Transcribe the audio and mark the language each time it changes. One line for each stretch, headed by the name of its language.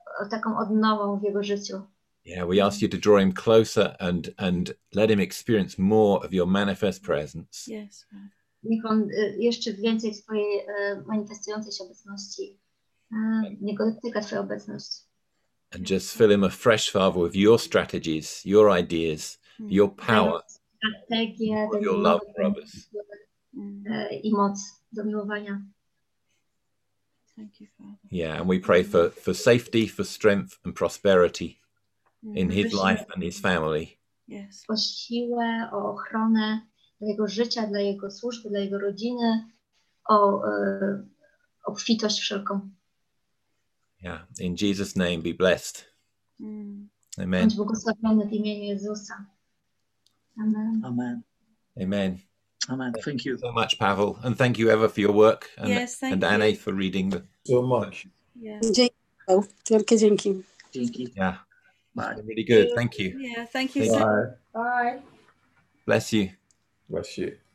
Polish: Taką odnową w jego życiu.
English: Yeah, we ask you to draw him closer and let him experience more of your manifest presence. Yes.
Polish: Niech on jeszcze więcej swojej manifestującej się obecności. Niech go dotyka twoja obecność.
English: And just fill him afresh, Father, with your strategies, your ideas, your power, your love, brothers.
Polish: I moc do miłowania.
English: Thank you, Father. Yeah, and we pray for safety, for strength and prosperity in his life and his family. Yes.
Polish: O siłę, o ochronę dla jego życia, dla jego służby, dla jego rodziny, o obfitość wszelką.
English: Yeah, in Jesus' name be blessed. Amen.
Polish: Bądź błogosławiony w imieniu Jezusa. Amen.
English: Amen. Amen. Amen. Thank you so much, Pavel. And thank you, Eva, for your work. And, yes, thank and you. And Anne for reading. So much. Yeah. Thank you. Yeah. Bye. Really good. Thank you. Yeah, thank you. Bye. Bye. Bless you. Bless you.